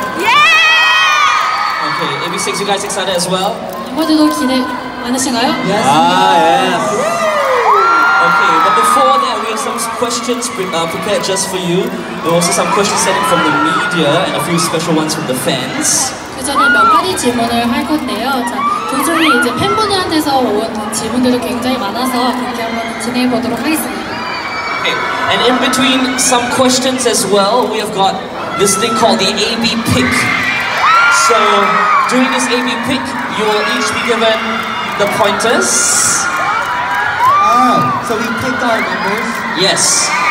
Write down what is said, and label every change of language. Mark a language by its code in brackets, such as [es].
[en] Yeah! Okay, Ab6ix, you guys excited as well? Yes! Yes! Okay, but before that, we have some questions prepared just for you. There are also some questions sent in from the media and a few special ones from the fans. [ko] 그 전에 몇 가지 질문을 할 건데요. 자, 도중에 이제 팬분들한테서 온 질문들도 굉장히 많아서 그렇게 한번 진행해 보도록 하겠습니다. [en] Okay. And in between some questions as well, we have got this thing called the AB pick. So during this AB pick, you will each be given the pointers. So we picked our numbers? Yes.